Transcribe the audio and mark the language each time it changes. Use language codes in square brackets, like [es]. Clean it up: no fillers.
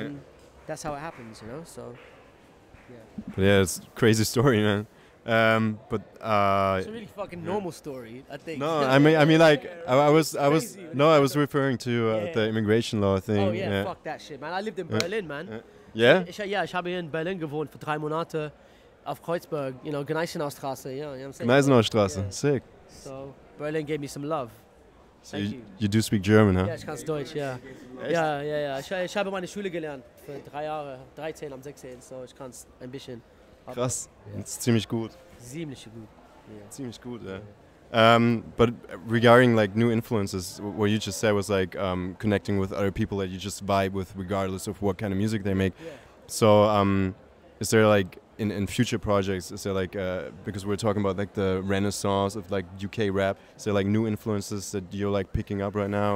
[en] And that's how it happens, you know? So, yeah. Yeah, it's a crazy story, man. It's a really fucking normal story, I think. No, I was referring to the immigration law thing. Oh, yeah, fuck that shit, man. I lived in Berlin, man. Yeah, [de] ich habe hier in Berlin gewohnt für 3 Monate auf Kreuzberg, [en] you know, [de] Gneisenaustraße. [en] Yeah, you know what I'm saying? Gneisenaustraße, sick. So, Berlin gave me some love. So you do speak German, huh? Yeah, [de] ich kann Deutsch, yeah. Yeah. Ich habe meine Schule gelernt für 3 Jahre, 13 am 16, so ich kann es ein bisschen. Krass, das ist ziemlich gut. Ziemlich gut, Ziemlich gut, yeah. [en] But regarding like new influences, what you just said was like connecting with other people that you just vibe with regardless of what kind of music they make. Yeah. So is there like in future projects, is there like, because we're talking about like the renaissance of like UK rap, is there like new influences that you're like picking up right now?